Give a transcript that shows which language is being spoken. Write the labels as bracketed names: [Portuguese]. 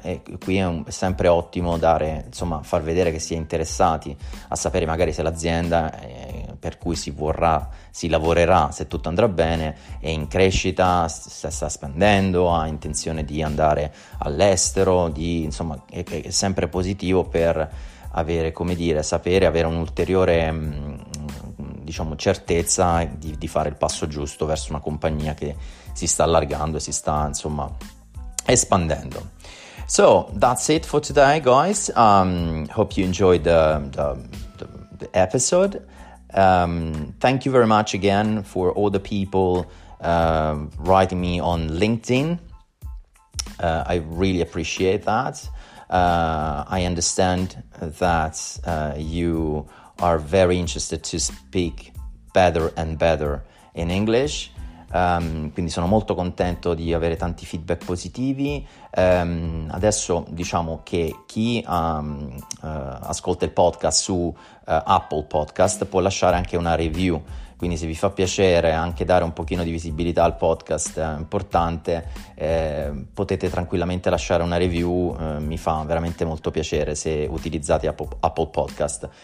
[Italian] E qui è sempre ottimo dare, insomma, far vedere che si è interessati a sapere magari se l'azienda per cui si lavorerà, se tutto andrà bene, è in crescita, se sta spendendo, ha intenzione di andare all'estero, insomma, è sempre positivo per avere, come dire, sapere, avere un'ulteriore, diciamo, certezza di fare il passo giusto verso una compagnia che si sta allargando e si sta, insomma, espandendo. [English] So, that's it for today, guys. Hope you enjoyed the episode. Thank you very much again for all the people writing me on LinkedIn. I really appreciate that. I understand that you are very interested to speak better and better in English. [Italian] Quindi sono molto contento di avere tanti feedback positivi. Adesso, diciamo, che chi ascolta il podcast su Apple Podcast può lasciare anche una review quindi se vi fa piacere anche dare un pochino di visibilità al podcast, è importante, potete tranquillamente lasciare una review, mi fa veramente molto piacere se utilizzate Apple Podcast.